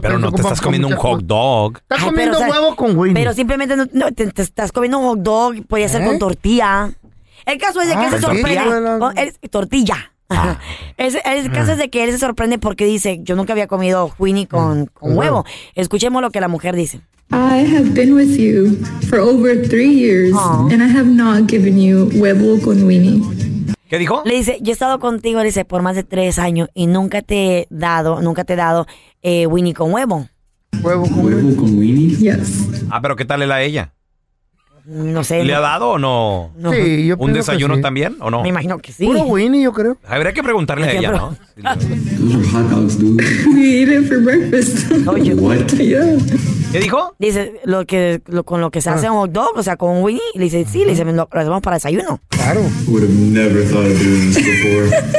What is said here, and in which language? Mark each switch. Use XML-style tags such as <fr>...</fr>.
<es>pero no te estás comiendo un hot dog. Estás comiendo pero, huevo, o sea, con Winnie. Pero simplemente no te estás comiendo un hot dog, podría ser con tortilla. El caso es de que se sorprende... Tortilla. El caso es de que él se sorprende porque dice, yo nunca había comido Winnie con huevo. Escuchemos lo que la mujer dice.</es> <en>I have been with you for over 3 years and I have not given you</en> <es>huevo con Winnie. ¿Qué dijo? Le dice, yo he estado contigo, le dice, por más de 3 años y nunca te he dado Winnie con huevo. ¿Huevo con huevo con Winnie?</es> <en>Yes.</en> <es>Ah, pero ¿qué tal es la ella? No sé. ¿Le ha dado o no? Sí, yo ¿un desayuno también o no? Me imagino que sí. Puro Winnie, yo creo. Habría que preguntarle a ella, ¿no?</es> <en>Those are hot dogs, dude. We eat it for breakfast. What? Yeah.</en> <es>¿Qué dijo? Dice, con lo que se hace un hot dog, o sea, con un Winnie. Le dice, sí, le dice, lo hacemos para desayuno. Claro.</es> <en>Would have never thought of doing this before.</en>